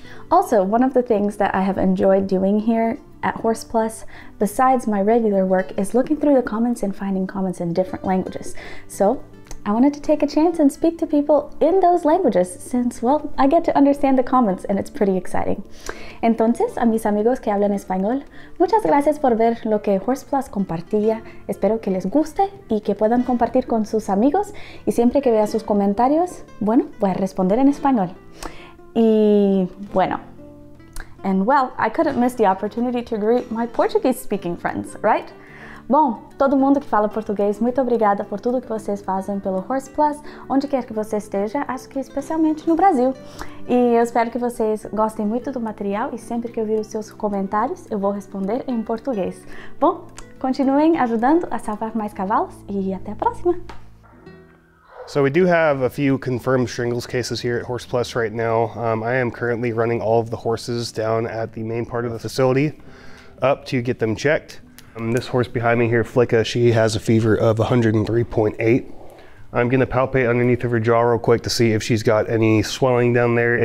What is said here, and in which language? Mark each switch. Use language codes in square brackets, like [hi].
[en] Also, one of the things that I have enjoyed doing here at Horse Plus, besides my regular work, is looking through the comments and finding comments in different languages. So I wanted to take a chance and speak to people in those languages since, well, I get to understand the comments and it's pretty exciting. [es] Entonces, a mis amigos que hablan español, muchas gracias por ver lo que Horse Plus compartía. Espero que les guste y que puedan compartir con sus amigos. Y siempre que vea sus comentarios, bueno, voy a responder en español. Y bueno. [en] And well, I couldn't miss the opportunity to greet my Portuguese-speaking friends, right? [pt] Bom, todo mundo que fala português, muito obrigada por tudo que vocês fazem pelo Horse Plus, onde quer que você esteja, acho que especialmente no Brasil. E eu espero que vocês gostem muito do material e sempre que eu vir os seus comentários, eu vou responder em português. Bom, continuem ajudando a salvar mais cavalos e até a próxima! [en] So we do have a few confirmed shingles cases here at Horse Plus right now. I am currently running all of the horses down at the main part of the facility up to get them checked. This horse behind me here, Flicka, she has a fever of 103.8. I'm going to palpate underneath of her jaw real quick to see if she's got any swelling down there.